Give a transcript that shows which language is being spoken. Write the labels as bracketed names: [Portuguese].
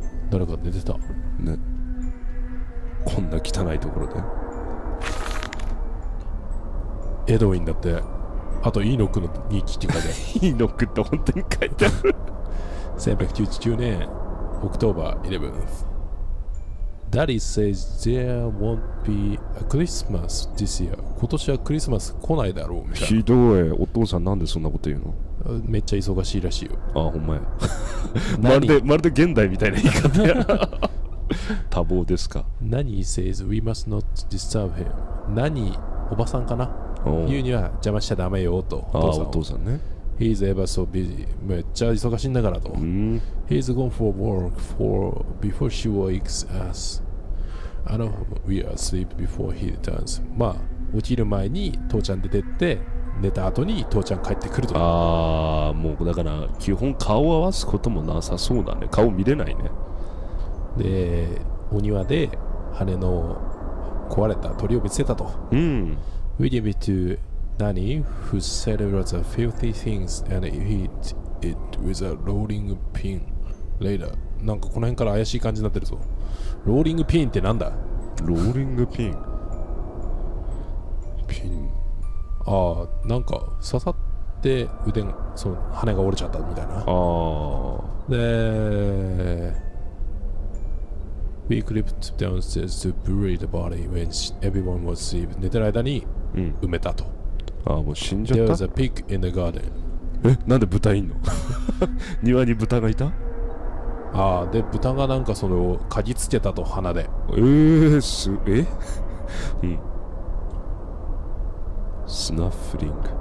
[Japanese] 誰か寝てた。ね。こんな汚いところで。エドウィンだって。あと、イーノックの2期って書いてある。イーノックって本当に書いてある。 1899年、オクトーバー 11th。 [English] Daddy says there won't be a Christmas this year。 [Japanese] 今年はクリスマス来ないだろうみたいな。ひどい。お父さんなんでそんなこと言うの。めっちゃ忙しいらしいよ。あ、ほんまや。まるで現代みたいな言い方や。多忙ですか。 [English] Nanny says we must not disturb him。 [Japanese] Nanny、 おばさんかな、言うには邪魔しちゃダメよと。ああ、お父さんね。 [English] He's ever so busy。 [Japanese] めっちゃ忙しいんだからと。 [English] He's gone for work before she wakes us。あの、we are asleep before he returns。 [Japanese] まあ、起きる前に父ちゃん出てって、寝た後に父ちゃん帰ってくると。ああ、もうだから基本顔合わすこともなさそうだね。顔見れないね。で、お庭で羽の壊れた鳥を見つけたと。うん。 [English] We give it to Nanny, who celebrates the filthy things and eat it with a rolling pin later。 [Japanese] なんかこの辺から怪しい感じになってるぞ。ローリングピンってなんだ。ローリングピン。ピン。ああ、なんか刺さって腕が、その羽が折れちゃったみたいな。ああ。 [English] で、We crept downstairs to bury the body when everyone was asleep。 [Japanese] 寝てる間に埋めたと。うん、ああ、もう死んじゃった。 [English] There was a pig in the garden。 [Japanese] え、なんで豚いんの。庭に豚がいた。あーで豚がなんかそれを嗅ぎつけたと鼻で。うん、スナッフリング。